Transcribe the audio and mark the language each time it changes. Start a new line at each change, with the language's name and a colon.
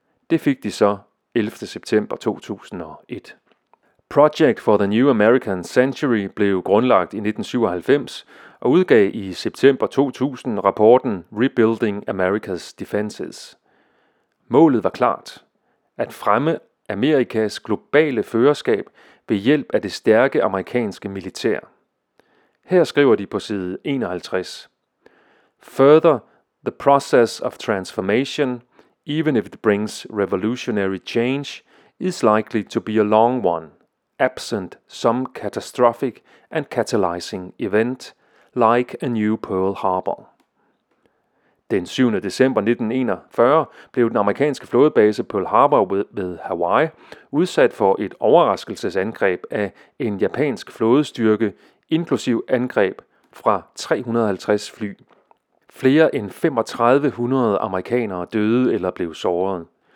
Danish: Det fik de så 11. september 2001. Project for the New American Century blev grundlagt i 1997 og udgav i september 2000 rapporten Rebuilding America's Defenses. Målet var klart: at fremme Amerikas globale førerskab ved hjælp af det stærke amerikanske militær. Her skriver de på side 51:
English: Further the process of transformation, even if it brings revolutionary change, is likely to be a long one, absent some catastrophic and catalyzing event, like a new Pearl Harbor.
Danish: Den 7. december 1941 blev den amerikanske flådebase Pearl Harbor ved Hawaii udsat for et overraskelsesangreb af en japansk flådestyrke, inklusiv angreb fra 350 fly. Flere end 3500 amerikanere døde eller blev såret.